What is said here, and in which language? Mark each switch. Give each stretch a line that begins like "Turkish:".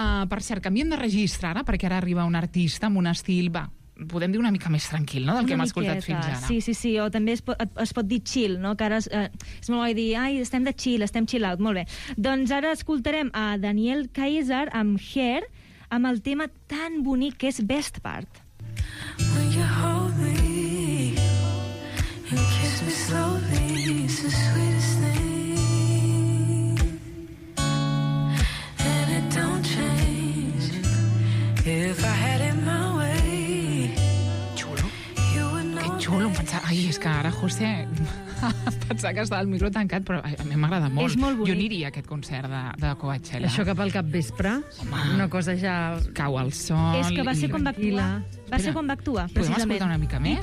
Catalan: Per cert, canviem de registre ara, perquè ara arriba un artista amb un estil, podem dir una mica més tranquil, no?, del una que hem escoltat miqueta. Fins ara. Sí, o també es pot dir chill, no?, que ara és molt bo dir, ai, estem de chill, estem chill out, molt bé. Doncs ara escoltarem a Daniel Kaiser amb Hair, amb el tema tan bonic que és Best Part.
English: When you hold me, you kiss me slowly, it's the sweetest thing, and it don't change. If I had it my way, you would know.
Spanish: Qué chulo, es
Catalan: que ara José... Pensar que estava el micro tancat, però a mi m'agrada molt. És molt bonic. Jo aniria a aquest concert de Coachella. Això cap al capvespre? Home. Una cosa ja... Cau el sol... És que va ser quan va actuar. Va ser quan va actuar, precisament. Podem escoltar una mica més?